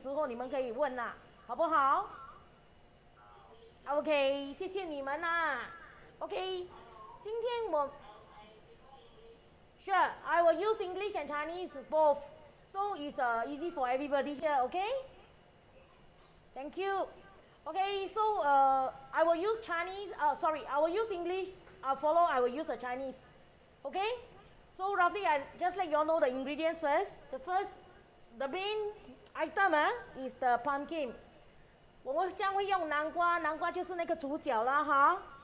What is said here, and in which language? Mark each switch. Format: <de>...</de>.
<zh>讲华语好，就我会用华语跟英语跟你们讲了哈。你们有什么问题的话，就在中间的时候你们可以问啦，好不好？ OK， 谢谢你们啦。</zh> <en>OK，</en> <zh>今天我</zh> <en>Sure， I will use English and Chinese both， so it's easy for everybody here. OK， thank you. OK， so I will use Chinese. I will use English. I will use the Chinese. OK， so roughly I just let you all know the ingredients first. The main item is the pumpkin.</en> <zh>我们将会用南瓜，南瓜就是那个主角啦哈。</zh>